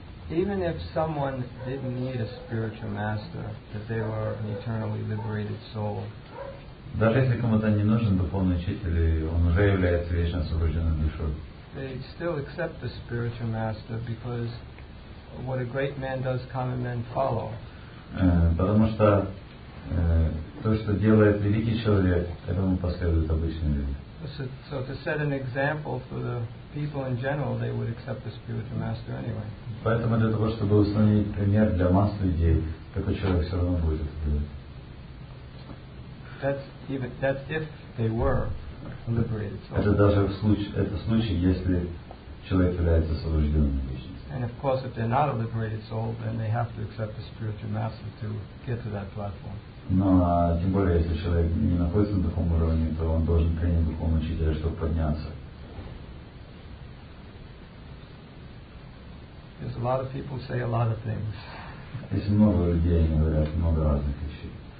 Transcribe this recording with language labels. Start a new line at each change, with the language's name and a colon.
English: Even if someone didn't need a spiritual master, that they were an eternally liberated soul.
Russian: Даже если кому-то не нужен духовный учитель, он уже является вечно освобожденным душой.
English: They still accept the spiritual master because what a great man does, common men follow.
Russian: Потому что то, что делает великий человек, этому последуют обычные люди.
English: So to set an example for the people in general, they would accept the spiritual master anyway.
Russian: Поэтому для того, чтобы установить пример для масс людей, такой человек все равно будет это делать.
English: That's if they were liberated.
Russian: Это даже в случае, это случай, если человек является освобожденным личностью.
English: And of course, if they're not a liberated soul, then they have to accept the spiritual master to get to that platform.
Russian: Но тем более, если человек не находится на таком уровне, то он должен принять духовного учителя, чтобы подняться.
English: There's a lot of people say a lot of things.
Russian: Если много людей, они говорят много разных вещей.